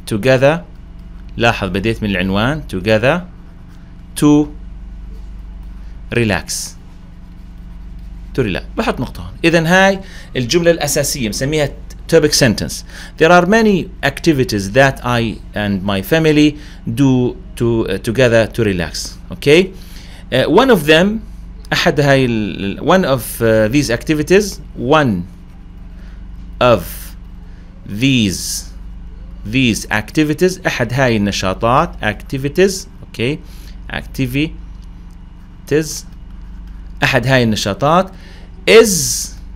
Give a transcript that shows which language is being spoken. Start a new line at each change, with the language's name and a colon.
English: together،
Arabic: لاحظ بديت من العنوان
English: together، to relax.
Arabic: بحط نقطة هون. إذا هاي الجملة الأساسية بسميها topic sentence.
English: There are many activities that I and my family do together to relax. Okay. One of them،
Arabic: أحد هاي
English: one of these activities
Arabic: أحد هاي النشاطات
English: activities. Okay.
Arabic: Activities أحد هاي النشاطات is